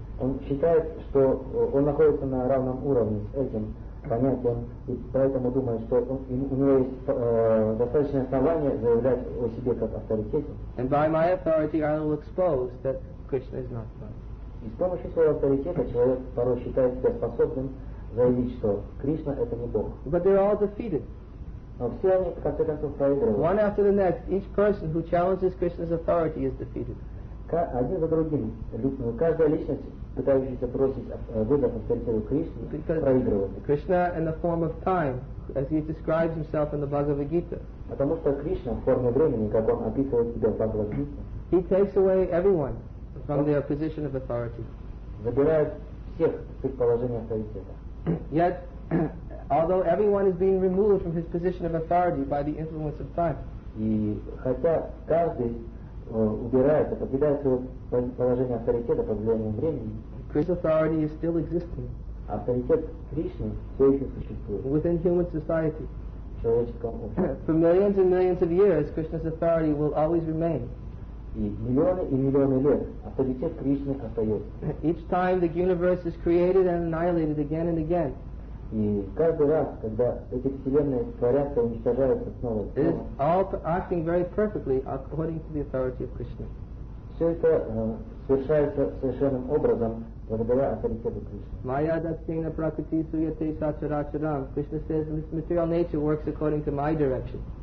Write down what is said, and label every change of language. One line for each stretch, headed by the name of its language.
Russian: Он считает, что он находится на равном уровне с этим понятием, и поэтому думает, что у него есть достаточное основание заявлять о себе как авторитете.
English: And by my authority I will expose that Krishna is not God.
Russian: И с помощью своего авторитета человек порой считает себя способным заявить, что Кришна — это не Бог.
English: But they're all defeated.
Russian: Но все они, в конце концов, проигрывают.
English: One after the next, each person who challenges Krishna's authority is defeated.
Russian: К- один за другим лично, каждая личность, пытающаяся просить выдох авторитету Кришны, проигрывает.
English: Krishna in the form of time, as he describes himself in the Bhagavad Gita.
Russian: Потому что Кришна в форме времени, как он описывает себя в Bhagavad Gita.
English: He takes away everyone from their position of authority.
Russian: Забирает всех с их положения авторитета.
English: Yet, although everyone is being removed from his position of authority by the influence of time.
Russian: И хотя каждый убирается, покидает свое положение авторитета под влиянием времени.
English: Krishna's authority is still existing.
Russian: Авторитет Кришны все еще существует.
English: Within human society. For millions and millions of years, Krishna's authority will always remain.
Russian: И миллионы и миллионы лет авторитет Кришны остается.
English: Each time the universe is created and annihilated again and again.
Russian: И каждый раз, когда эти вселенные творятся и уничтожаются снова,
English: it is all acting very perfectly according to the authority of Krishna.
Russian: Все это совершается совершенным образом благодаря авторитету Кришны.
Sanskrit: Майя датсина пракрити суете сачарачарам.
English: Krishna says this material nature works according to my direction.